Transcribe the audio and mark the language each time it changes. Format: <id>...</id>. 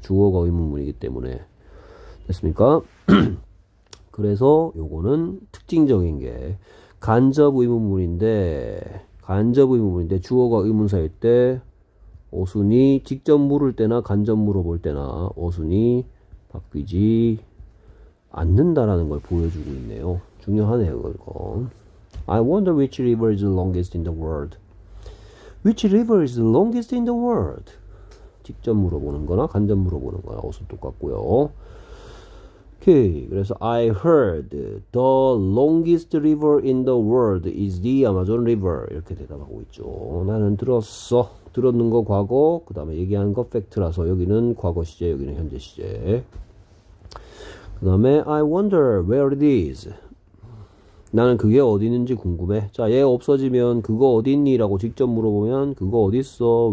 <ko>주어가 의문문이기 때문에. 됐습니까? 그래서 요거는 특징적인 게 간접 의문문인데 간접 의문문인데 주어가 의문사일 때 어순이 직접 물을 때나 간접 물어볼 때나 어순이 바뀌지 않는다라는 걸 보여주고 있네요. 중요하네요, 이거.</ko> <en>I wonder which river is the longest in the world. Which river is the longest in the world?</en> <ko>직접 물어보는 거나 간접 물어보는 거나 어순 똑같고요.</ko> <en>Okay,</en> <ko>그래서</ko> <en>I heard the longest river in the world is the Amazon River.</en> <ko>이렇게 대답하고 있죠. 나는 들었어. 들었는 거 과거, 그 다음에 얘기한 거 팩트라서 여기는 과거 시제, 여기는 현재 시제. 그 다음에</ko> <en>I wonder where it is.</en> <ko>나는 그게 어디 있는지 궁금해. 자, 얘 없어지면 그거 어디 있니? 라고 직접 물어보면 그거 어디 있어?</ko>